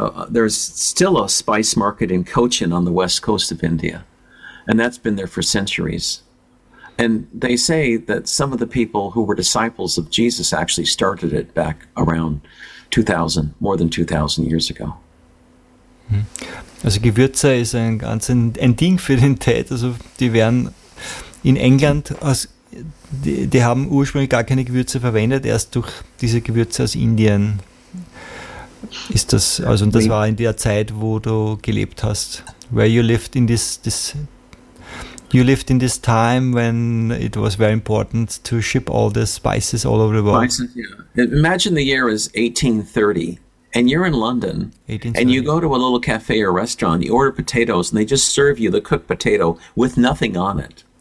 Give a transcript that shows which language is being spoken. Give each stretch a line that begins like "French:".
English: There's still a spice market in Cochin on the west coast of India, and that's been there for centuries. And they say that some of the people who were disciples of Jesus actually started it back around 2000, more than 2000 years ago.
German: Also Gewürze ist ein ganz ein Ding für den Tät. Also die werden in England, die haben ursprünglich gar keine Gewürze verwendet, erst durch diese Gewürze aus Indien ist das, also und das war in der Zeit, wo du gelebt hast.
English: Where you lived in this time when it was very important to ship all the spices all over the world. Imagine the year is 1830 and you're in London and you go to a little cafe or restaurant, you order potatoes and they just serve you the cooked potato with nothing on it.